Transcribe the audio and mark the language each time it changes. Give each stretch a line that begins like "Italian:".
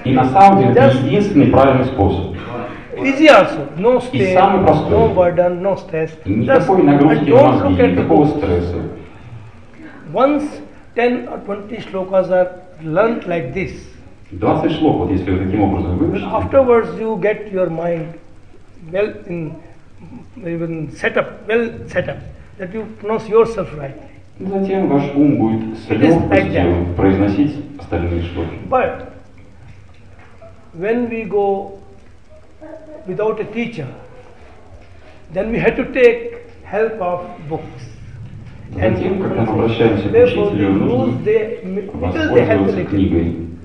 Russian: И на самом деле это единственный правильный способ.
English: Easy also. No stress.
Russian: И самый простой.
English: No burden, no stress.
Russian: Никакой нагрузки в мозги, никакого стресса.
English: Once 10 or 20 shlokas are learnt like this.
Russian: 20 шлок, вот если вы таким образом выучите.
English: Afterwards you get your mind well in even set up, well set up, that you pronounce yourself right.
Russian: Затем ваш ум будет с легкостью произносить остальные шлоки.
English: But when we go without a teacher, then we have to take help of books.
Russian: Затем, когда мы обращаемся к учителю, нужно воспользоваться книгой.